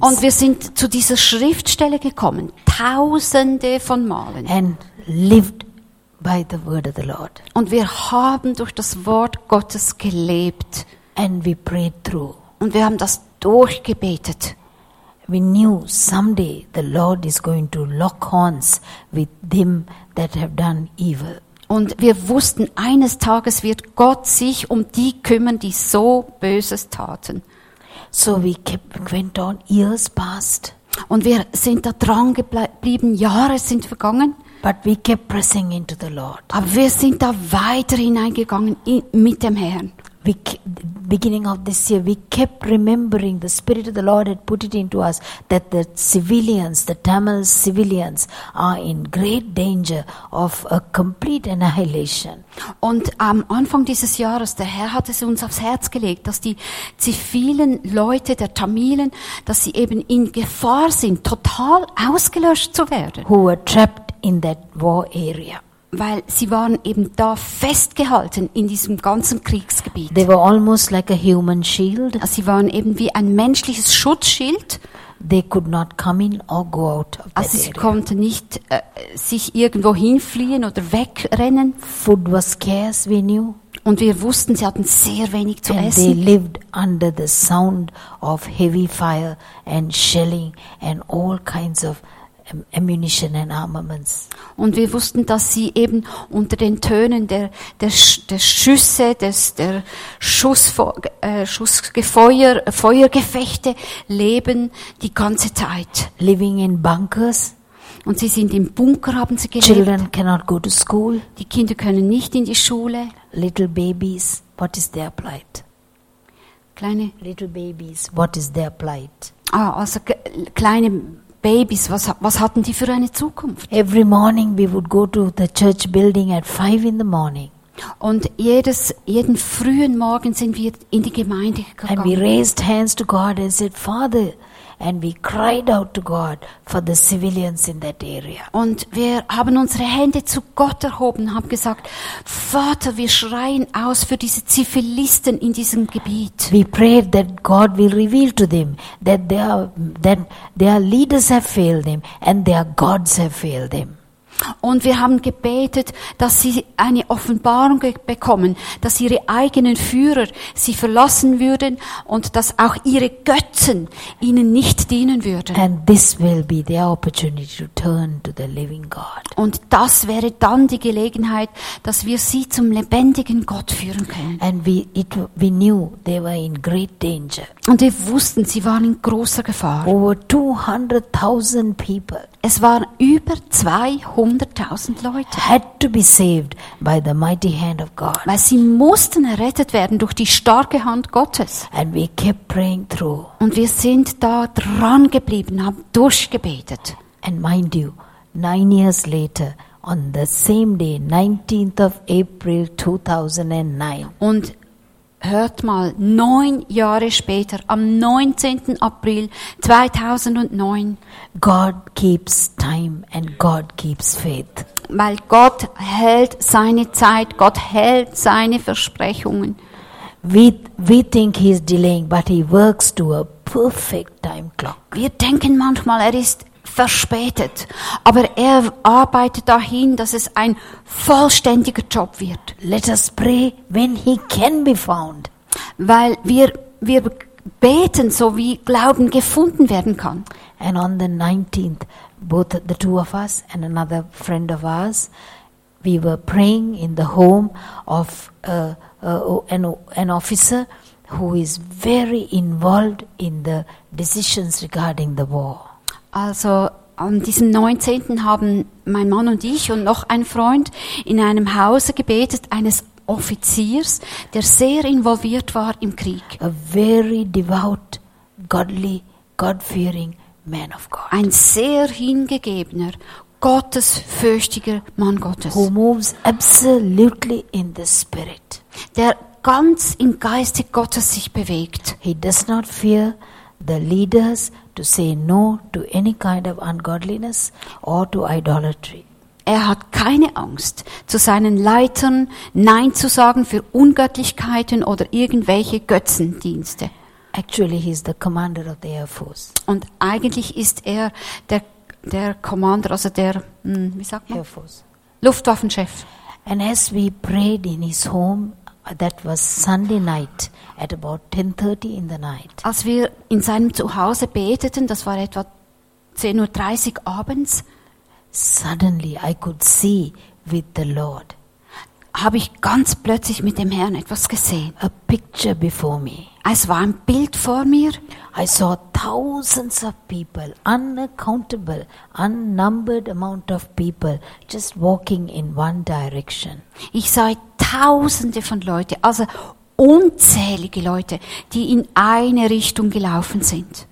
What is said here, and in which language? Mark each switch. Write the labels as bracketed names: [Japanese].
[German] Und wir sind zu dieser Schriftstelle gekommen, tausende von Malen. [English] And lived by the word of the Lord. [German] Und wir haben durch das Wort Gottes gelebt. [English] And we prayed through. [German] Und wir haben das durchgebetet. [English] We knew someday the Lord is going to lock horns with them that have done evil. [German] Und wir wussten, eines Tages wird Gott sich um die kümmern, die so Böses taten. [English] So we went on, years passed. [German] Und wir sind da dran geblieben, Jahre sind vergangen. [English] But we kept pressing into the Lord. [German] Aber wir sind da weiter hineingegangen mit dem Herrn. [English] Beginning of this year, we kept remembering the Spirit of the Lord had put it into us that the civilians, the Tamil civilians, are in great danger of a complete annihilation. [German] Und am Anfang dieses Jahres, der Herr hat es uns aufs Herz gelegt, dass die zivilen Leute der Tamilen, dass sie eben in Gefahr sind, total ausgelöscht zu werden. [English] Who were trapped in that war area. [German] Weil sie waren eben da festgehalten in diesem ganzen Kriegsgebiet. [English] They were almost like a human shield. [German] Sie waren eben wie ein menschliches Schutzschild. [English] They could not come in or go out of [German] also sie konnten nicht sich irgendwo hinfliehen oder wegrennen. [English] Food was scarce, we knew. [German] Und wir wussten, sie hatten sehr wenig zu [English] and [German] essen. [English] They lived under the sound of heavy fire and shelling and all kinds of ammunition and armaments. [German] Und wir wussten, dass sie eben unter den Tönen der Schüsse, der Schussgefeuer, Feuergefechte leben die ganze Zeit. [English] Living in bunkers. [German] Und sie sind im Bunker, haben sie gelebt. [English] Children cannot go to school. [German] Die Kinder können nicht in die Schule. [English] Little babies, what is their plight? [German] Kleine. [English] Little babies, what is their plight? [German] Ah, also kleine Babys, was hatten die für eine Zukunft? [English] Every morning we would go to the church building at 5 in the morning. [German] Und jeden frühen Morgen sind wir in die Gemeinde gegangen. [English] And we raised hands to God and said, Father, and we cried out to God for the civilians in that area. [German] Und wir haben unsere Hände zu Gott erhoben, haben gesagt, Vater, wir schreien aus für diese Zivilisten in diesem Gebiet. [English] We prayed that God will reveal to them that their leaders have failed them and their gods have failed them. [German] Und wir haben gebetet, dass sie eine Offenbarung bekommen, dass ihre eigenen Führer sie verlassen würden und dass auch ihre Götzen ihnen nicht dienen würden. [English] And this will be their opportunity to turn to the living God. [German] Und das wäre dann die Gelegenheit, dass wir sie zum lebendigen Gott führen können. [English] And we knew they were in great danger. [German] Und wir wussten, sie waren in großer Gefahr. [English] Over 200,000 people. [German] Es waren über 200,000 Leute. [English] Had to be saved by the mighty hand of God. [German] Weil sie mussten errettet werden durch die starke Hand Gottes. [English] And we kept praying through. [German] Und wir sind da dran geblieben, haben durchgebetet. [English] And mind you, 9 years later, on the same day, 19th of April 2009. [German] Und hört mal, 9 Jahre später, am 19. April 2009. [English] God keeps time and God keeps faith. [German] Weil Gott hält seine Zeit, Gott hält seine Versprechungen. [English] We think he's delaying, but he works to a perfect time clock. [German] Wir denken manchmal, er ist verspätet, aber er arbeitet dahin, dass es ein vollständiger Job wird. [English] Let us pray when he can be found. [German] Weil wir wir beten, so wie Glauben gefunden werden kann. [English] And on the 19th, both the two of us and another friend of ours, we were praying in the home of an officer who is very involved in the decisions regarding the war. [German] Also an diesem 19. haben mein Mann und ich und noch ein Freund in einem Hause gebetet, eines Offiziers, der sehr involviert war im Krieg. [English] A very devout, godly, God-fearing man of God. [German] Ein sehr hingegebener, gottesfürchtiger Mann Gottes. [English] Who moves absolutely in the Spirit. [German] Der ganz im Geiste Gottes sich bewegt. [English] He does not fear the leaders to say no to any kind of ungodliness or to idolatry. [German] Er hat keine Angst, zu seinen Leitern Nein zu sagen für Ungöttlichkeiten oder irgendwelche Götzendienste. [English] Actually, he is the commander of the Air Force. [German] Und eigentlich ist er der Commander, also der, wie sagt man? [English] Air Force. [German] Luftwaffenchef. [English] And as we prayed in his home, that was Sunday night at about 10:30 in the night. [German] Als wir in seinem Zuhause beteten, das war etwa 10:30 Uhr abends, [English] suddenly I could see with the Lord. [German] Habe ich ganz plötzlich mit dem Herrn etwas gesehen. [English] A picture before me. [German] Es war ein Bild vor mir. [English] I saw thousands of people, unaccountable, unnumbered amount of people, just walking in one direction. [German] Ich sah tausende von Leuten, also unzählige Leute, die in eine Richtung gelaufen sind.